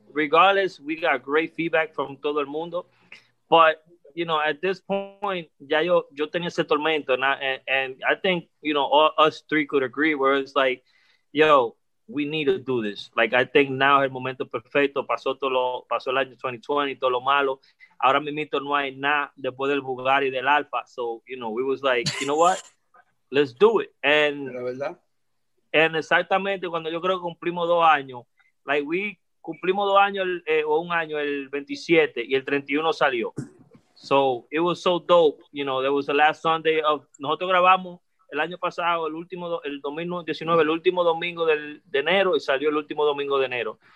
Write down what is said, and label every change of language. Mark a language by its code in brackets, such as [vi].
[en] Regardless, we got great feedback from [es] todo el mundo, [en] but, you know, at this point, [es] ya yo tenía ese tormento, [en] and I think, you know, all us three could agree where it's like, yo, we need to do this. Like, I think now is the [es] momento perfecto. Pasó el año 2020, todo lo malo. Ahora mismo no hay nada después del Bugatti del Alfa. [en] So, you know, we was like, you know what? Let's do it. And [es] la verdad. And exactamente cuando yo creo que cumplimos 2 años, [en] like, we [es] cumplimos 2 años o un año el 27 y el 31 salió. [en] So, it was so dope. You know, there was the last Sunday of, [es] nosotros grabamos el año pasado, el 2019, el último domingo de enero, y salió el último domingo de enero.